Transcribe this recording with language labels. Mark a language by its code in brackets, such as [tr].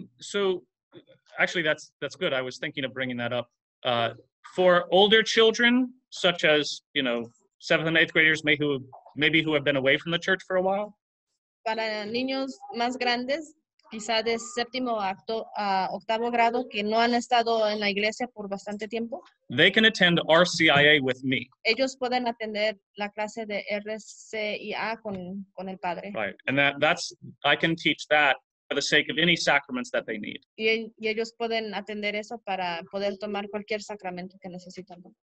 [en] So actually that's good. I was thinking of bringing that up. For older children, such as, seventh and eighth graders who have been away from the church for a while. [es] Para niños más grandes, quizá de séptimo a octavo grado, que no han estado en la iglesia por bastante tiempo. [en] They can attend RCIA with me. [es] Ellos pueden atender la clase de RCIA con el padre. [en] Right, and that's I can teach that for the sake of any sacraments that they need. [es] Y ellos pueden atender eso para poder tomar cualquier sacramento que necesitan.